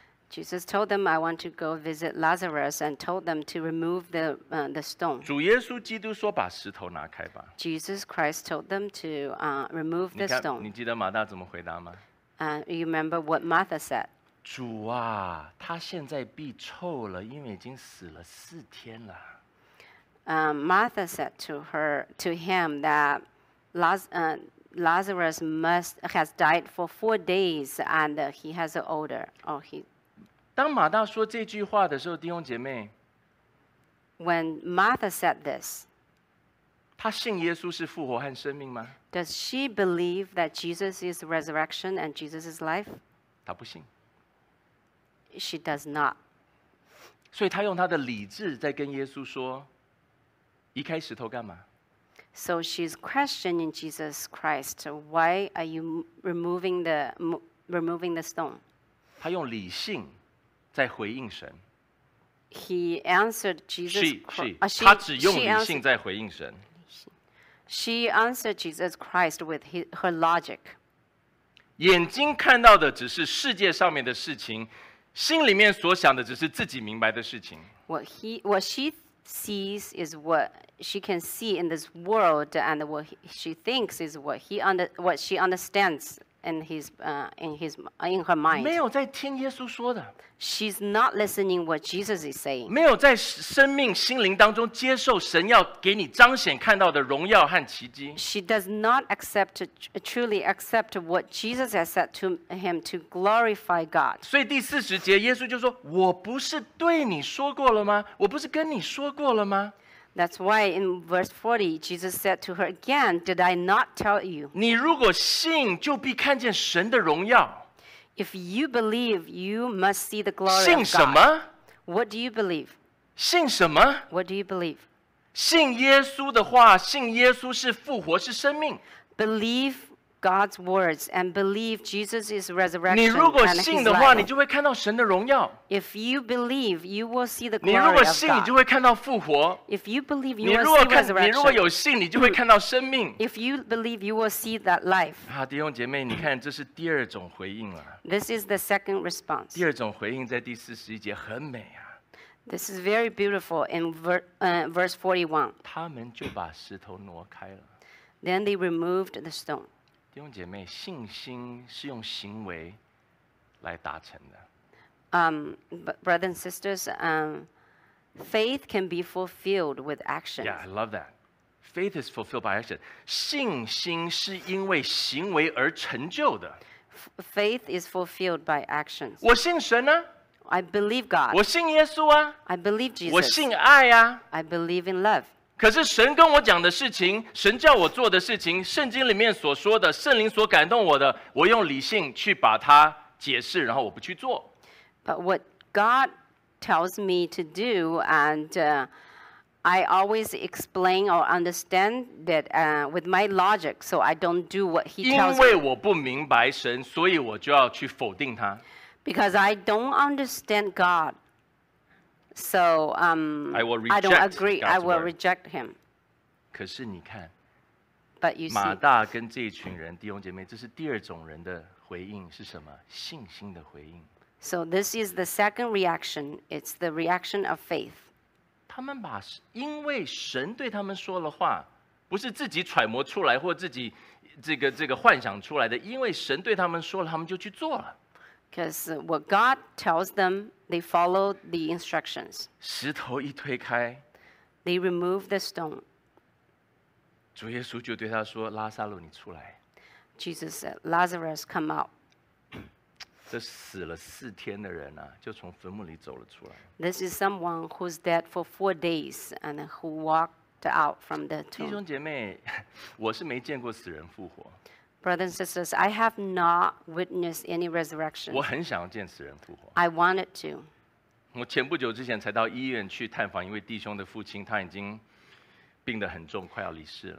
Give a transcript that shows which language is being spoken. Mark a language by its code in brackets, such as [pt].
[en] Jesus told them, "I want to go visit Lazarus," and told them to remove the stone. [zh] 主耶稣基督说：“把石头拿开吧。” [en] Jesus Christ told them to remove the stone. [zh] 你记得马大怎么回答吗？ [en] You remember what Martha said? [zh] 主啊，他现在必臭了，因为已经死了四天了。 [en] Martha said to him that Lazarus has died for 4 days, and he has an odor. Oh, he. [zh] 当马大说这句话的时候，弟兄姐妹 [en] ，When Martha said this， [zh] 她信耶稣是复活和生命吗 [en] ？Does she believe that Jesus is resurrection and Jesus is life？ [zh] 她不信。 [en] She does not。 [zh] 所以她用她的理智在跟耶稣说：“移开石头干嘛 [en] ？”So she's questioning Jesus Christ, "Why are you removing the stone？" [zh] 她用理性。在回应神。 [en] He answered Jesus. She. [zh] 他只用理性在回应神。 [en] She answered Jesus Christ with her logic. [zh] 眼睛看到的只是世界上面的事情，心里面所想的只是自己明白的事情。 [en] What she sees is what she can see in this world, and what she thinks is what she understands. In her mind, [zh] 没有在听耶稣说的。 [en] She's not listening what Jesus is saying. [zh] 没有在生命心灵当中接受神要给你彰显看到的荣耀和奇迹。 [en] She does not truly accept what Jesus has said to him to glorify God. [zh] 所以第四十节，耶稣就说：“我不是对你说过了吗？我不是跟你说过了吗？” [en] That's why in verse 40, Jesus said to her again, "Did I not tell you?" [zh] 你如果信，就必看见神的荣耀。 [en] If you believe, you must see the glory of God. [zh] 信什么？ [en] What do you believe? [zh] 信什么？ [en] What do you believe? [zh] 信耶稣的话，信耶稣是复活，是生命。 [en] Believe God's words and believe Jesus' resurrection. [zh] 你如果信的话，你就会看到神的荣耀。 [en] If you believe, you will see the glory of God. [zh] 你如果信，你就会看到复活。 [en] If you believe, you will see resurrection. [zh] 你如果有信，你就会看到生命。 [en] If you believe, you will see that life. [zh] 啊，弟兄姐妹，你看，这是第二种回应了。 [en] This is the second response. [zh] 第二种回应在第四十一节很美啊。 [en] This is very beautiful in verse 41. [zh] 他们就把石头挪开了。 [en] Then they removed the stone. [zh] 弟兄姐妹，信心是用行为来达成的。 [en] Brothers and sisters, faith can be fulfilled with action. Yeah, I love that. Faith is fulfilled by action. [zh] 信心是因为行为而成就的。 [en] Faith is fulfilled by actions. [zh] 我信神呢？ [en] I believe God. [zh] 我信耶稣啊。 [en] I believe Jesus. [zh] 我信爱啊。 [en] I believe in love. [zh] 可是神跟我讲的事情，神叫我做的事情，圣经里面所说的，圣灵所感动我的，我用理性去把它解释，然后我不去做。 [en] But what God tells me to do, and I always explain or understand that with my logic, so I don't do what He tells me. [zh] 因为我不明白神，所以我就要去否定他。 [en] Because I don't understand God. So, I will reject. I don't agree. I will reject him. [zh] 可是你看 [en] but you see, [zh] 马大跟这群人弟兄姐妹，这是第二种人的回应是什么？信心的回应。 [en] So this is the second reaction. It's the reaction of faith. [zh] 他们把因为神对他们说了话，不是自己揣摩出来或自己这个幻想出来的，因为神对他们说了，他们就去做了。 [en] Because what God tells them, they follow the instructions. [zh] 石头一推开 [en] they remove the stone. [zh] 主耶稣就对他说：“拉撒路，你出来。” [en] Jesus said, "Lazarus, come out." [zh] 这死了四天的人啊，就从坟墓里走了出来。 [en] This is someone who's dead for 4 days and who walked out from the tomb. [zh] 弟兄姐妹，我是没见过死人复活。 [en] Brothers and sisters, I have not witnessed any resurrection. [zh] 我很想见死人复活。 [en] I wanted to. [zh] 我前不久之前才到医院去探访一位弟兄的父亲，他已经病得很重，快要离世了。